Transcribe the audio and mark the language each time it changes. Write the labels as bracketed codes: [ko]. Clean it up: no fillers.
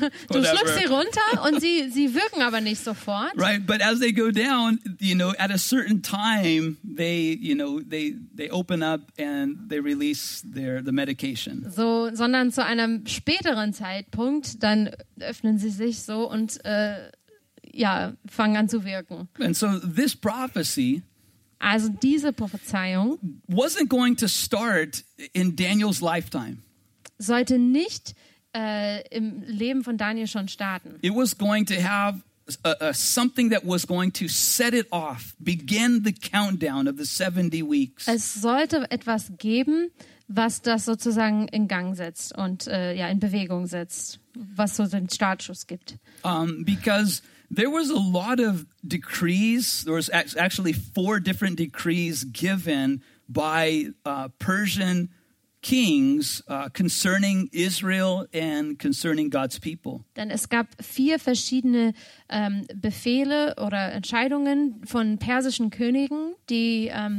[de] Du schluckst sie runter und sie wirken aber nicht sofort. [en] Right, but as they go down, you know, at a certain time, they, you know, they open up and they release the medication. [de] So, sondern zu einem späteren Zeitpunkt, dann öffnen sie sich so und fangen an zu wirken. [en] And so this prophecy. [de] Also diese Prophezeiung. [en] Wasn't going to start in Daniel's lifetime. [de] Sollte nicht im Leben von Daniel schon starten. [en] It was going to have something that was going to set it off, begin the countdown of the 70 weeks. [de] Es sollte etwas geben, was das sozusagen in Gang setzt und in Bewegung setzt, was so den Startschuss gibt. [en] Because there was a lot of decrees, there was actually four different decrees given by Persian kings concerning Israel and concerning God's people. [de] Denn es gab vier verschiedene Befehle oder Entscheidungen von persischen Königen, die